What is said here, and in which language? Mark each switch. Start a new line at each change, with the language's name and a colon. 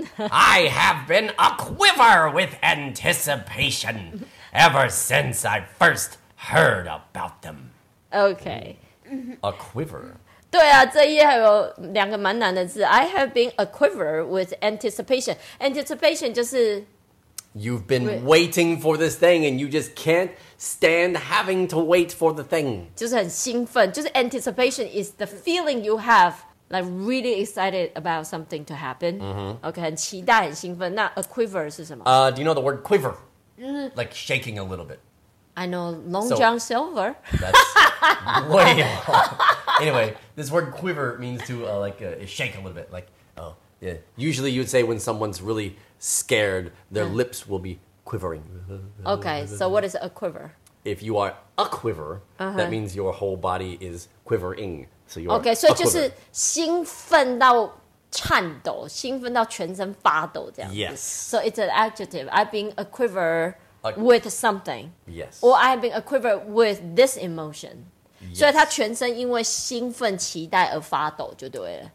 English: I have been a quiver with anticipation ever since I first heard about them. Okay. A quiver.
Chinese: 对啊，这一页还有两个蛮难的字。
English: I have been a quiver with anticipation. Anticipation
Chinese: 就是
English: You've been waiting for this thing and you just can't stand having to wait for the thing.
Chinese: 就是很兴奋，就是
English: anticipation is the feeling you have, like really excited about something to happen. Mm-hmm.
Chinese: Okay, 很期待，很兴奋。那 a quiver 是什么？
English: Do you know the word quiver? Like shaking a little bit. I know Long John Silver. That's way off. Anyway, this word quiver means to shake a little bit. Like, oh, yeah. Usually you'd say when someone's really scared, their lips will be quivering. Okay, so what is a quiver? If you are a quiver, that means your whole body is quivering. So you okay, are a quiver. Okay, so
Chinese: 就是兴奋到颤抖，兴奋到全身发抖这样子。
English: Yes. So it's an adjective. I've been a quiver with something. Yes. Or I've been a quiver with this emotion. Yes.
Chinese: 所以他全身因为兴奋期待而发抖就对了。